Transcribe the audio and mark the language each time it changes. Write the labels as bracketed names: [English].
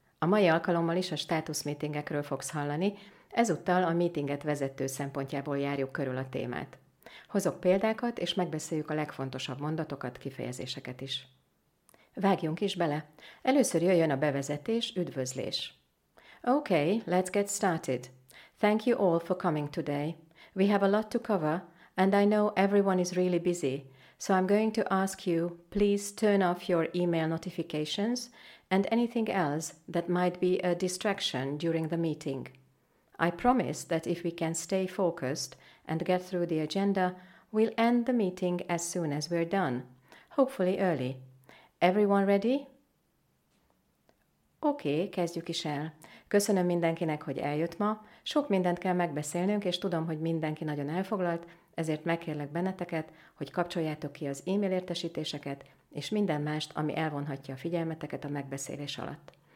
[Hungarian] A mai alkalommal is a státuszmeetingekről fogsz hallani, ezúttal a meetinget vezető szempontjából járjuk körül a témát. Hozok példákat, és megbeszéljük a legfontosabb mondatokat, kifejezéseket is. Vágjunk is bele! Először jöjjön a bevezetés, üdvözlés. [English] Okay, let's get started. Thank you all for coming today. We have a lot to cover, and I know everyone is really busy, so I'm going to ask you, please turn off your email notifications and anything else that might be a distraction during the meeting. I promise that if we can stay focused and get through the agenda, we'll end the meeting as soon as we're done, hopefully early. Everyone ready? Okay, [Hungarian] kezdjük is el. Köszönöm mindenkinek, hogy eljött ma. Sok mindent kell megbeszélnünk, és tudom, hogy mindenki nagyon elfoglalt, ezért megkérlek benneteket, hogy kapcsoljátok ki az e-mail értesítéseket, és minden mást, ami elvonhatja a figyelmeteket a megbeszélés alatt.